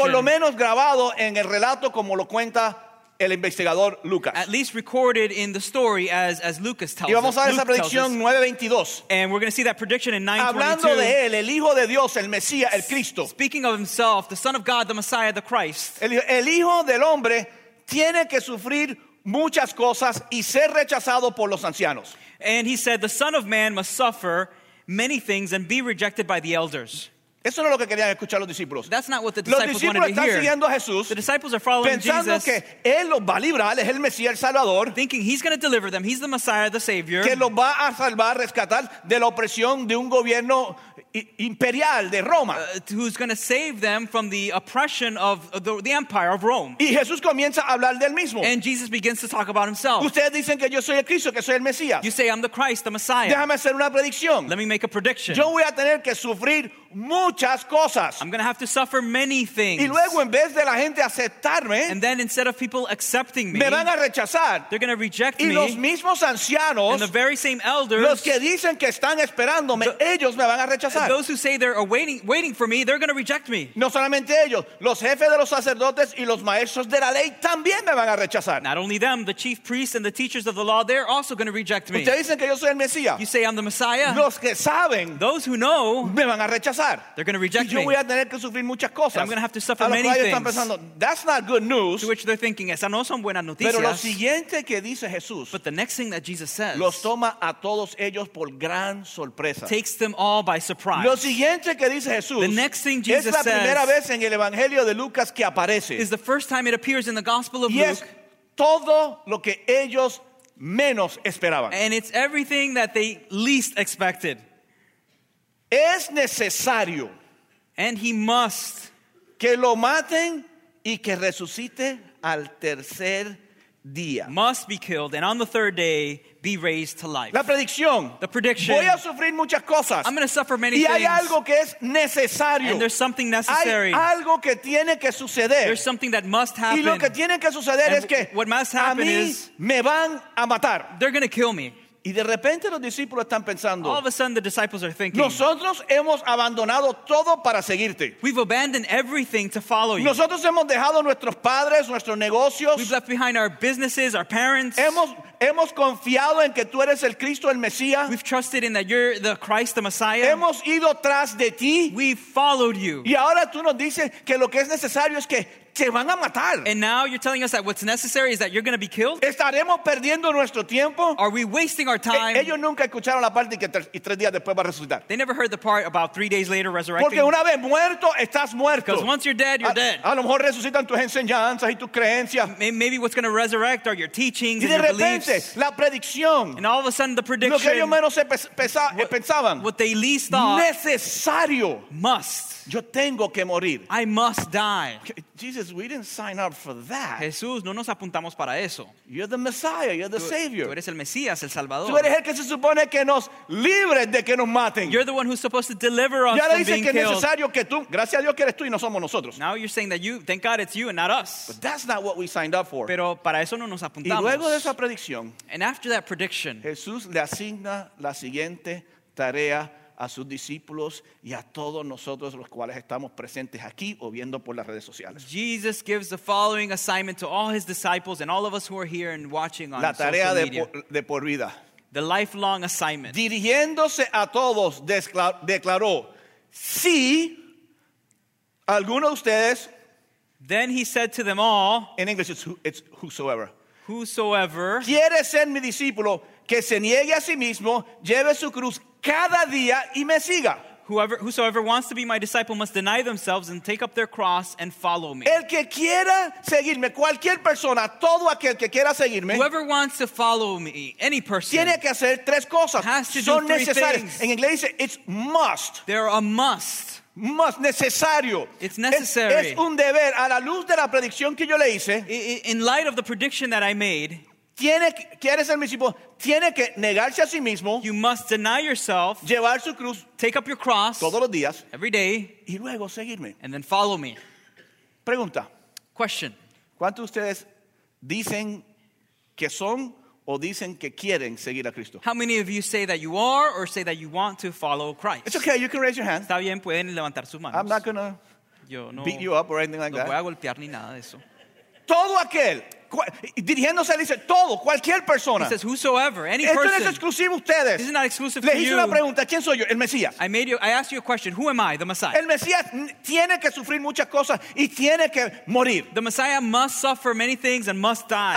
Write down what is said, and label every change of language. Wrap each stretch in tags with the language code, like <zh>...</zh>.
<es>Por lo menos grabado en el relato como lo cuenta el investigador Lucas.</es> <en>At least recorded in the story as Lucas tells us.</en> <es>Y vamos a ver esa predicción 9:22.</es> <en>And we're going to see that prediction in 9:22.</en> <es>Hablando de él, el hijo de Dios, el Mesías, el Cristo.</es> <en>Speaking of himself, the Son of God, the Messiah, the Christ.</en> <es>El hijo del hombre tiene que sufrir muchas cosas y ser rechazado por los ancianos.</es> <en>And he said the Son of Man must suffer many things and be rejected by the elders.</en> <es>Eso no es lo que querían escuchar los discípulos.</es> <en>That's not what the disciples wanted to hear.</en> <es>Los discípulos están siguiendo a Jesús.</es> <en>The disciples are following</en> <es>pensando</es> <en>Jesus.</en> <es>Pensando que él los va a librar, es el Mesías, el Salvador.</es> <en>Thinking he's going to deliver them, he's the Messiah, the Savior.</en> <es>Que los va a salvar, rescatar de la opresión de un gobierno imperial de Roma.</es> <en>Who's going to save them from the oppression of the empire of Rome.</en> <es>Y Jesús comienza a hablar del mismo.</es> <en>And Jesus begins to talk about himself.</en> <es>Ustedes dicen que yo soy el Cristo, que soy el Mesías.</es> <en>You say I'm the Christ, the Messiah.</en> <es>Déjame hacer una predicción.</es> <en>Let me make a prediction.</en> <es>Yo voy a tener que sufrir muchas cosas.</es> <en>I'm going to have to suffer many things.</en> <es>Y luego en vez de la gente aceptarme,</es> <en>and then instead of people accepting me,</en> <es>me van a rechazar.</es> <en>They're going to reject</en> <es>y</es> <en>me.</en> <es>Y los mismos ancianos,</es> <en>and the very same elders,</en> <es>los que dicen que están esperándome, ellos me van a rechazar.</es> <en>Those who say they're waiting for me, they're going to reject me.</en> <es>No solamente ellos, los jefes de los sacerdotes y los maestros de la ley también me van a rechazar.</es> <en>Not only them, the chief priests and the teachers of the law, they're also going to reject me.</en> <es>Ustedes dicen que yo soy el Mesías.</es> <en>You say I'm the Messiah.</en> <es>Los que saben,</es> <en>those who know,</en> <es>me van a rechazar.</es> <en>They're going to reject me.</en> <es>Y yo</es> <en>me.</en> <es>Voy a tener que sufrir muchas cosas.</es> <en>And I'm going to have to suffer many things.</en> <es>A lo cual ellos están pensando,</es> <en>that's not good news. To which they're thinking,</en> <es>esas no son buenas noticias. Pero lo siguiente que dice Jesús,</es> <en>but the next thing that Jesus says,</en> <es>los toma a todos ellos por gran sorpresa.</es> <en>Takes them all by surprise.</en> <es>Lo siguiente que dice Jesús,</es> <en>the next thing Jesus</en> <es>es la primera</es> <en>says,</en> <es>vez en el Evangelio de Lucas que aparece,</es> <en>is the first time it appears in the Gospel of</en> <es>y es</es> <en>Luke,</en> <es>todo lo que ellos menos esperaban.</es> <en>And it's everything that they least expected.</en> <es>Es necesario,</es> <en>and he must,</en> <es>que lo maten y que resucite al tercer día.</es> <en>Must be killed and on the third day be raised to life.</en> <es>La predicción.</es> <en>The prediction.</en> <es>Voy a sufrir muchas cosas.</es> <en>I'm going to suffer many</en> <es>y hay</es> <en>things.</en> <es>Algo que es necesario.</es> <en>And there's something necessary.</en> <es>Hay algo que tiene que suceder.</es> <en>There's something that must happen.</en> <es>Y lo que tiene que suceder</es> <en>and</en> <es>es que</es> <en>what must happen</en> <es>a mí</es> <en>is</en> <es>me van a matar.</es> <en>They're going to kill me.</en> <es>Y de repente los discípulos están pensando,</es> <en>all of a sudden the disciples are thinking,</en> <es>nosotros hemos abandonado todo para seguirte.</es> <en>We've abandoned everything to follow you.</en> <es>Nosotros hemos dejado nuestros padres, nuestros negocios.</es> <en>We've left behind our businesses, our parents.</en> <es>Hemos confiado en que tú eres el Cristo, el Mesías.</es> <en>We've trusted in that you're the Christ, the Messiah.</en> <es>Hemos ido tras de ti.</es> <en>We've followed you.</en> <es>Y ahora tú nos dices que lo que es necesario es que se van a matar.</es> <en>And now you're telling us that what's necessary is that you're going to be killed?</en> <es>¿Estaremos perdiendo nuestro tiempo?</es> <en>Are we wasting our time?</en> <es>Ellos nunca escucharon la parte que tres días después va a resucitar.</es> <en>They never heard the part about 3 days later resurrecting.</en> <es>Porque una vez muerto, estás muerto.</es> <en>Because once you're dead, you're dead.</en> <es>A lo mejor resucitan tus enseñanzas y tus creencias.</es> <en>Maybe what's going to resurrect are your teachings and your beliefs.</en> <es>Y de repente, la predicción.</es> <en>And all of a sudden, the prediction.</en> <es>Lo que ellos menos pensaban.</es> <en>What they least thought.</en> <es>Necesario.</es> <en>Must.</en> <es>Yo tengo que morir.</es> <en>I must die. Jesus, we didn't sign up for that.</en> <es>Jesús, no nos apuntamos para eso.</es> <en>You're the Messiah, you're the Savior.</en> <es>Tú eres el Mesías, el Salvador. Tú eres el que se supone que nos libre de que nos maten.</es> <en>You're the one who's supposed to deliver us from being killed.</en> <es>Ya le dices que es necesario que tú, gracias a Dios que eres tú y no somos nosotros.</es> <en>Now you're saying that you, thank God it's you and not us. But that's not what we signed up for.</en> <es>Pero para eso no nos apuntamos. Y luego de esa predicción,</es> <en>and after that prediction,</en> <es>Jesús le asigna la siguiente tarea a sus discípulos y a todos nosotros los cuales estamos presentes aquí o viendo por las redes sociales.</es> <en>Jesus gives the following assignment to all his disciples and all of us who are here and watching on</en> <es>la tarea</es> <en>social media.</en> <es>De por vida.</es> <en>The lifelong assignment.</en> <es>Dirigiéndose a todos, declaró, si alguno de ustedes,</es> <en>then he said to them all, in English it's whosoever, whosoever,</en> <es>quiere ser mi discípulo, que se niegue a sí mismo, lleve su cruz cada día y me siga.</es> <en>Whosoever wants to be my disciple must deny themselves and take up their cross and follow me.</en> <es>El que quiera seguirme, cualquier persona, todo aquel que quiera seguirme,</es> <en>whoever wants to follow me, any person,</en> <es>tiene que hacer tres cosas.</es> <en>Has to</en> <es>son</es> <en>do three</en> <es>necesarias.</es> <en>Things.</en> <es>En inglés dice,</es> <en>it's must. They're a must. Must,</en> <es>necesario.</es> <en>It's necessary.</en> <es>Es un deber. A la luz de la predicción que yo le hice,</es> <en>in light of the prediction that I made,</en> <es>quiere ser mi discípulo, tiene que negarse a sí mismo.</es> <en>You must deny yourself.</en> <es>Llevar su cruz.</es> <en>Take up your cross.</en> <es>Todos los días.</es> <en>Every day.</en> <es>Y luego seguirme.</es> <en>And then follow me.</en> <es>Pregunta.</es> <en>Question.</en> <es>¿Cuántos de ustedes dicen que son o dicen que quieren seguir a Cristo?</es> <en>How many of you say that you are or say that you want to follow Christ? It's okay, you can raise your hand.</en> <es>Está bien, pueden levantar sus manos.</es> <en>I'm not going to beat you up or anything like</en> <es>no</es> <en>that.</en> <es>No voy a golpear ni nada de eso. Todo aquel. dirigiéndose, dice todo, cualquier persona.</es> <en>He says whosoever, any person.</en> <es>Esto no es exclusivo ustedes.</es> <en>This is not exclusive to you.</en> <es>Le hice una pregunta, ¿quién soy yo? El Mesías.</es> <en>I asked you a question, who am I, the Messiah?</en> <es>El Mesías tiene que sufrir muchas cosas y tiene que morir.</es> <en>The Messiah must suffer many things and must die.</en>